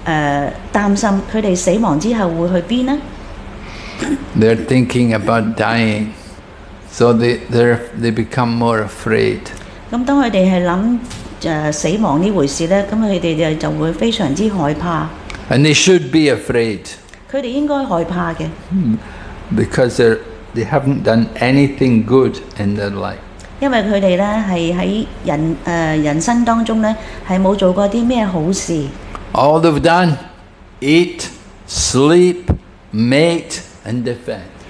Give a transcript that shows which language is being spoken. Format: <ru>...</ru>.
<zh>如果他們將近死亡,他們才去擔心,他們死亡之後會去哪裡呢?</zh> <en>They're thinking about dying, so they become more afraid.</en> <zh>當他們想死亡這回事,他們就會非常害怕。</zh> <en>And they should be afraid.</en> <zh>他們應該害怕的。</zh> <en>Because they haven't done anything good in their life.</en> <zh>因為他們在人生當中沒有做過什麼好事。</zh> <en>All they've done, eat, sleep, mate, and defend.</en>